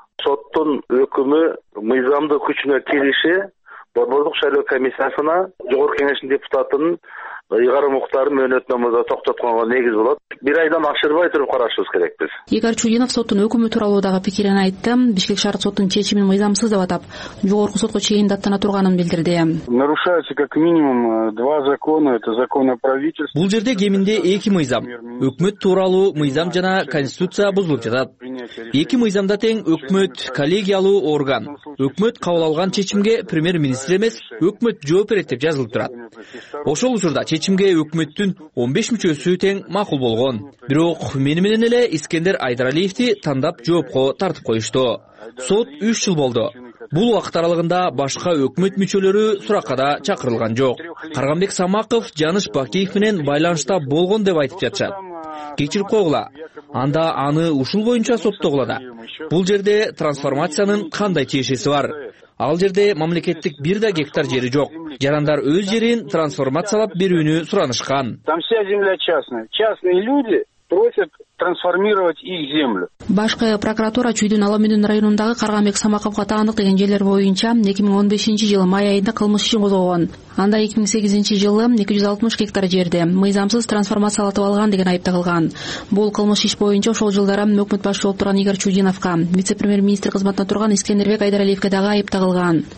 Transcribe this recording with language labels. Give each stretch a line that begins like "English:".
Kyrgyz: Соттун өкүмү мыйзамдуу күчүнө кириши борбордук шайлоо комиссиясына Жогорку Кеңештин депутатынын ыйгарым укуктарын мөөнөтүнөмөдө токтотконго негиз болот. Бир айдан ашырбай туруп карашыбыз керек биз. Игорь Чудинов соттун өкүмү тууралуу дагы пикирин айтты. Бишкек шаардык соттун чечимин мыйзамсыз деп атап, Жогорку сотко чейин даттана турганын билдирди.
Russian: Нарушаются как минимум два закона. Это закон о правительстве.
Kyrgyz: Бул жерде кеминде эки мыйзам. Өкмөт тууралуу мыйзам жана конституция бузулуп жатат. Эки мыйзамда тең өкмөт коллегиялуу орган. Өкмөт кабыл алган чечимге премьер-министр эмес, өкмөт жооп берет деп жазылып турат. Ошол учурда чечимге өкмөттүн 15 мүчөсү тең макул болгон. Бирок мени менен эле Искендер Айдыралиевди тандап жоопко тартып коюшту. Сот 3 жыл болду. Бул убакыт аралыгында башка өкмөт мүчөлөрү суракка да чакырылган жок. Карганбек Самаков Жаныш Бакиев менен байланышта болгон деп айтып жатышат. Кечирип койгула. Анда аны ушул боюнча соттогула да. Бул жерде трансформациянын кандай тиешеси бар? Ал жерде мамлекеттик бир да гектар жери жок. Жарандар өз жерин трансформациялап берүүнү суранышкан.
Russian: Там вся земля частная. Частные люди просят трансформировать их землю.
Kyrgyz: Башка прокуратура Чуйдун Аламиндин районундагы Каргамбек Самаковго таандык деген жерлер боюнча 2015 жылы май айында кылмыш иши козголгон. Анда 2008 жылы 260 гектар жерди мыйзамсыз трансформациялатып алган деген айып тагылган. Бул кылмыш иш боюнча ошол жылдары өкмөт башчы болуп турган Игорь Чуйдиновго, вице-премьер-министр кызматында турган Искендербек Айдаралиевге дагы айып тагылган.